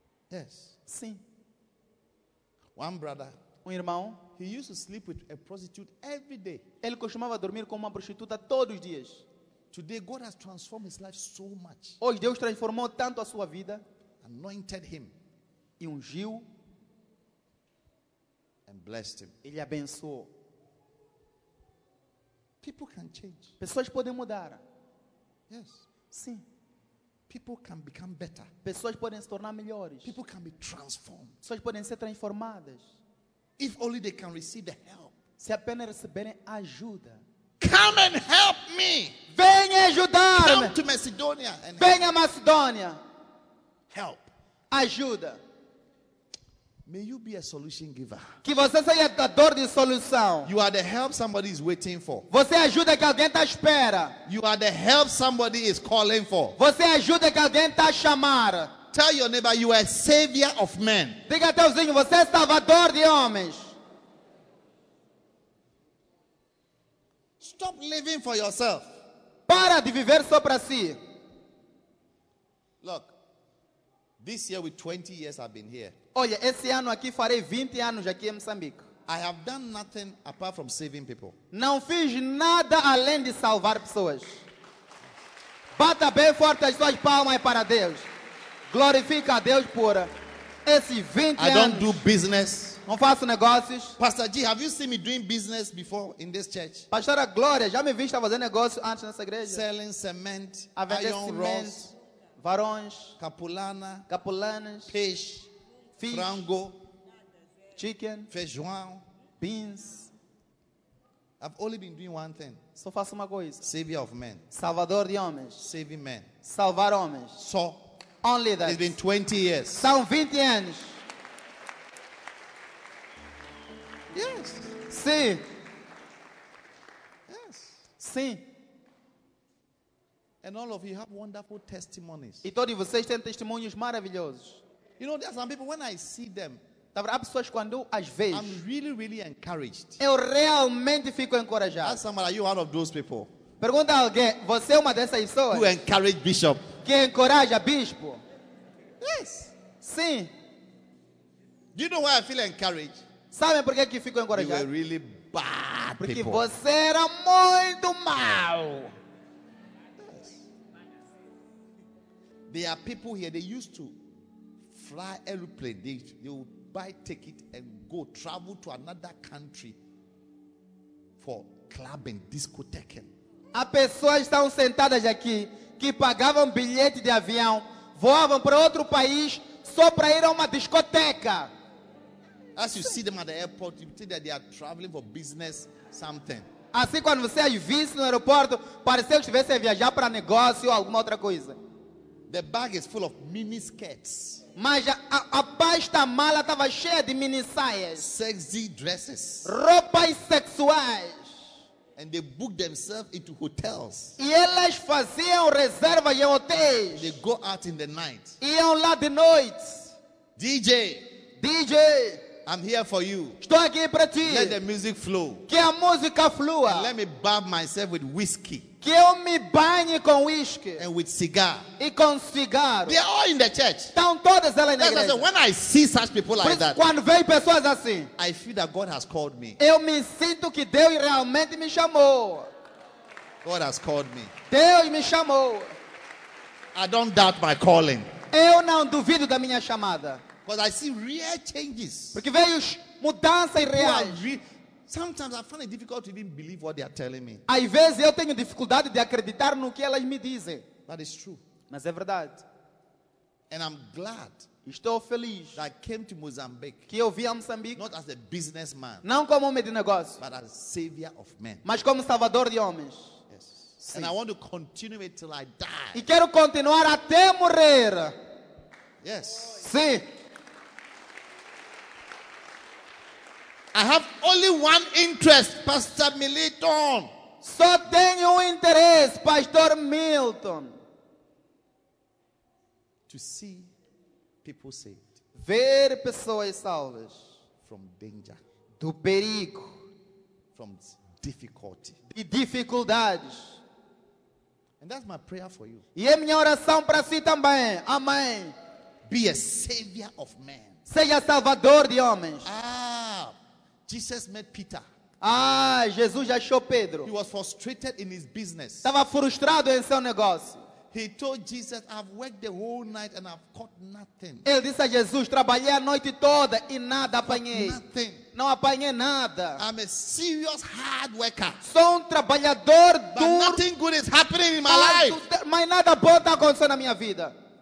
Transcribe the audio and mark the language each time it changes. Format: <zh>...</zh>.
<en>Yes.</en> <pt>Sim.</pt> <en>One brother.</en> <pt>Irmão.</pt> <en>He used to sleep with a prostitute every day.</en> <pt>Ele costumava dormir com uma prostituta todos os dias.</pt> <en>Today God has transformed his life so much.</en> <pt>Hoje Deus transformou tanto a sua vida.</pt> <en>Anointed him.</en> <pt>E ungiu.</pt> <en>And blessed him.</en> <pt>Ele abençoou.</pt> <en>People can change.</en> <pt>Pessoas podem mudar.</pt> <en>Yes.</en> <pt>Sim.</pt> <en>People can become better.</en> <pt>Pessoas podem se tornar melhores.</pt> <en>People can be transformed.</en> <pt>Pessoas podem ser transformadas.</pt> <en>If only they can receive the help.</en> <pt>Se apenas receberem ajuda.</pt> <en>Come and help me.</en> <pt>Venha ajudar.</pt> <en>Come to Macedonia and</en> <pt>venha Macedônia.</pt> <en>Help.</en> <pt>Ajuda.</pt> <en>May you be a solution giver.</en> <pt>Que você seja a dor de solução.</pt> <en>You are the help somebody is waiting for.</en> <pt>Você ajuda que alguém está espera.</pt> <en>You are the help somebody is calling for.</en> <pt>Você ajuda que alguém está chamar.</pt> <en>Tell your neighbor you are a savior of men.</en> <pt>Diga teu vizinho, você é salvador de homens.</pt> <en>Stop living for yourself.</en> <pt>Para de viver só para si.</pt> <en>Look, this year with 20 years I've been here.</en> <pt>Olha, esse ano aqui farei 20 anos aqui em Moçambique.</pt> <en>I have done nothing apart from saving people.</en> <pt>Não fiz nada além de salvar pessoas. Bata bem forte as suas palmas para Deus. Glorifica a Deus por esses 20 anos.</pt> <en>I don't do business.</en> <pt>Não faço negócios.</pt> <en>Pastor G, have you seen me doing business before in this church?</en> <pt>Pastora Glória, já me viste fazer negócio antes nessa igreja?</pt> <en>Selling cement,</en> <pt>a vender cimento, varões, capulana, capulanas, peixe,</pt> <en>fish,</en> <pt>frango,</pt> <en>chicken,</en> <pt>feijão,</pt> <en>beans. I've only been doing one thing.</en> <pt>Só faço uma coisa.</pt> <en>Savior of men.</en> <pt>Salvador de homens.</pt> <en>Saving men.</en> <pt>Salvar homens. Só.</pt> <en>Only that. It's been 20 years.</en> <pt>São 20 anos.</pt> <en>Yes.</en> <pt>Sim.</pt> <en>Yes.</en> <pt>Sim.</pt> <en>And all of you have wonderful testimonies.</en> <pt>E todos vocês têm testemunhos maravilhosos.</pt> <en>You know, there are some people when I see them.</en> <pt>Há pessoas quando as vejo.</pt> <en>I'm really, really encouraged.</en> <pt>Eu realmente fico encorajado.</pt> <en>Ask somebody, are you one of those people?</en> <pt>Pergunta a alguém, você é uma dessas pessoas?</pt> <en>Who encourage bishop?</en> <pt>Que encoraja bispo?</pt> <en>Yes.</en> <pt>Sim.</pt> <en>Do you know why I feel encouraged?</en> <pt>Sabe por que eu fico encorajado?</pt> <en>You were really bad</en> <pt>Porque</pt> <en>people.</en> <pt>Você era muito mal.</pt> <en>Yes. There are people here, they used to fly aeroplane. They would buy ticket and go travel to another country for clubbing, discotheking.</en> <pt>Há pessoas que estão sentadas aqui que pagavam bilhete de avião, voavam para outro país só para ir a uma discoteca.</pt> <en>As you see them at the airport, you think that they are traveling for business something.</en> <pt>Assim, quando você as visse no aeroporto, parece que estivesse a viajar para negócio ou alguma outra coisa.</pt> <en>The bag is full of mini skirts.</en> <pt>Mas a pasta mala estava cheia de mini saias.</pt> <en>Sexy dresses.</en> <pt>Roupas sexuais.</pt> <en>And they book themselves into hotels.</en> <pt>E elas faziam reserva em hotéis.</pt> <en>They go out in the night.</en> <pt>Iam lá de noite.</pt> <en>DJ.</en> <pt>DJ.</pt> <en>I'm here for you.</en> <pt>Estou aqui para ti.</pt> <en>Let the music flow.</en> <pt>Que a música flua.</pt> <en>And let me bathe myself with whiskey.</en> <pt>Que eu me banhe com whisky.</pt> <en>And with cigar.</en> <pt>E com cigarro.</pt> <en>They are all in the church.</en> <pt>Estão todas elas na</pt> <en>That's</en> <pt>igreja.</pt> <en>I said, when I see such people</en> <pt>Por</pt> <en>like that.</en> <pt>Quando vejo pessoas assim.</pt> <en>I feel that God has called me.</en> <pt>Eu me sinto que Deus realmente me chamou.</pt> <en>God has called me.</en> <pt>Deus me chamou.</pt> <en>I don't doubt my calling.</en> <pt>Eu não duvido da minha chamada.</pt> <en>Because I see real changes.</en> <pt>Porque vejo mudança real.</pt> <en>Sometimes I find it difficult to even believe what they are telling me.</en> <pt>Às vezes eu tenho dificuldade de acreditar no que elas me dizem.</pt> <en>That is true.</en> <pt>Mas é verdade.</pt> <en>And I'm glad.</en> <pt>Estou feliz.</pt> <en>That I came to Mozambique.</en> <pt>Que eu vim a Moçambique.</pt> <en>Not as a businessman.</en> <pt>Não como homem de negócio.</pt> <en>But as savior of men.</en> <pt>Mas como salvador de homens.</pt> <en>Yes.</en> <pt>Sim.</pt> <en>And I want to continue it till I die.</en> <pt>E quero continuar até morrer.</pt> <en>Yes.</en> <pt>Sim.</pt> <en>I have only one interest, Pastor Milton.</en> <pt>Só tenho um interesse, Pastor Milton.</pt> <en>To see people saved.</en> <pt>Ver pessoas salvas.</pt> <en>From danger.</en> <pt>Do perigo.</pt> <en>From difficulty.</en> <pt>De dificuldades.</pt> <en>And that's my prayer for you.</en> <pt>E é minha oração para si também. Amém.</pt> <en>Be a savior of men.</en> <pt>Seja salvador de homens.</pt> <en>Ah. Jesus met Peter.</en> <pt>Ah, Jesus achou Pedro.</pt> <en>He was frustrated in his business.</en> <pt>Estava frustrado em seu negócio.</pt> <en>He told Jesus, I've worked the whole night and I've caught nothing.</en> <pt>Ele disse a Jesus, trabalhei a noite toda e nada apanhei.</pt> <en>Nothing.</en> <pt>Não apanhei nada.</pt> <en>I'm a serious hard worker.</en> <pt>Sou trabalhador duro.</pt> <en>But nothing good is happening in my life.</en> <pt>Mas nada bom está acontecendo na minha vida.</pt>